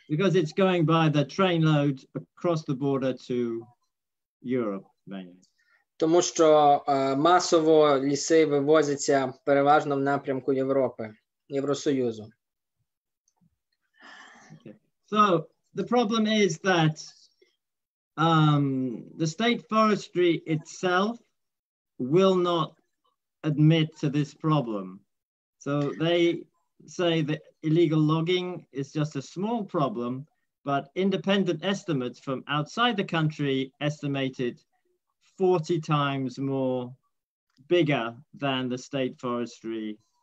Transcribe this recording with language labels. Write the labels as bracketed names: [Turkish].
[English] Because it's going by the train load across the border to Europe mainly. [Ukrainian] Тому що масово ліси вивозяться переважно в напрямку Європи, Євросоюзу. [English] So the problem is that the state forestry itself will not admit to this problem. So they say that illegal logging is just a small problem, but independent estimates from outside the country estimated 40 times more bigger than the state forestry.